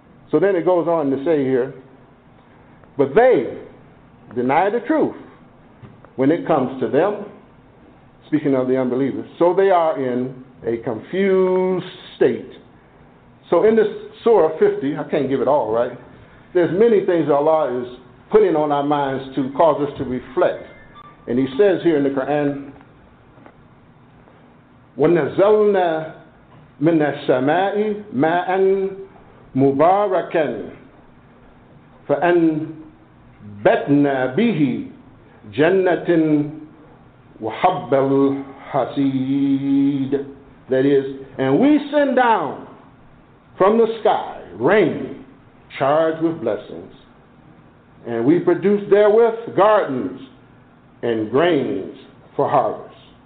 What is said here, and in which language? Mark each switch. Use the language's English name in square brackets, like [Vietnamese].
[English] So then it goes on to say here, but they deny the truth when it comes to them, speaking of the unbelievers. So they are in a confused state. So in this Surah 50, I can't give it all, right? There's many things Allah is putting on our minds to cause us to reflect. And he says here in the Quran, [Arabic] وَنَزَلْنَا مِنَ السَّمَاءِ مَاءً مُبَارَكًا فَأَنْبَتْنَا بِهِ جَنَّةٍ وَحَبَّ الْحَسِيدِ. [English] That is, and we send down from the sky rain charged with blessings, and we produce therewith gardens and grains for harvest.